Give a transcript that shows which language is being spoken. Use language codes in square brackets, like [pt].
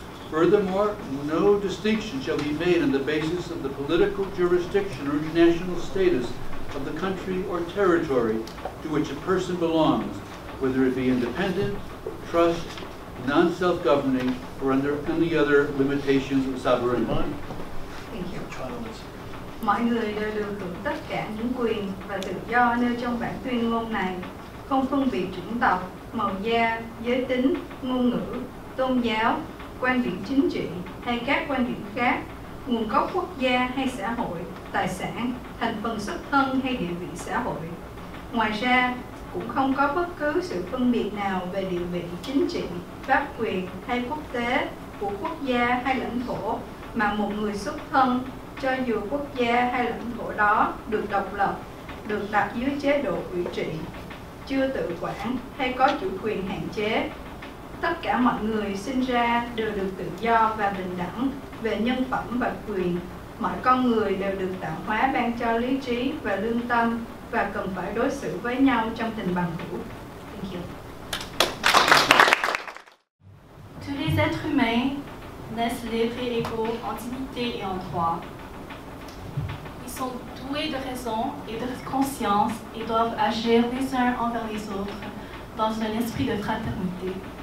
[en] Furthermore, no distinction shall be made on the basis of the political jurisdiction or national status of the country or territory to which a person belongs, whether it be independent, trust, non-self-governing, or under any other limitations of sovereign mind. Thank you. Minor idea, [vi] tất cả những quyền và tự do nêu trong bản tuyên ngôn này không phân biệt chủng tộc, màu da, giới tính, ngôn ngữ, tôn giáo, quan điểm chính trị hay các quan điểm khác, nguồn gốc quốc gia hay xã hội, tài sản, thành phần xuất thân hay địa vị xã hội. Ngoài ra, cũng không có bất cứ sự phân biệt nào về địa vị chính trị, pháp quyền hay quốc tế của quốc gia hay lãnh thổ mà một người xuất thân, cho dù quốc gia hay lãnh thổ đó được độc lập, được đặt dưới chế độ ủy trị, chưa tự quản hay có chủ quyền hạn chế. Tất cả mọi người sinh ra đều được tự do và bình đẳng về nhân phẩm và quyền. Mọi con người đều được tạo hóa ban cho lý trí và lương tâm và cần phải đối xử với nhau trong tình bằng hữu. [en] Thank you. [fr] Tous les êtres humains naissent libres et égaux en dignité et en droit. Ils sont doués de raison et de conscience et doivent agir les uns envers les autres dans un esprit de fraternité.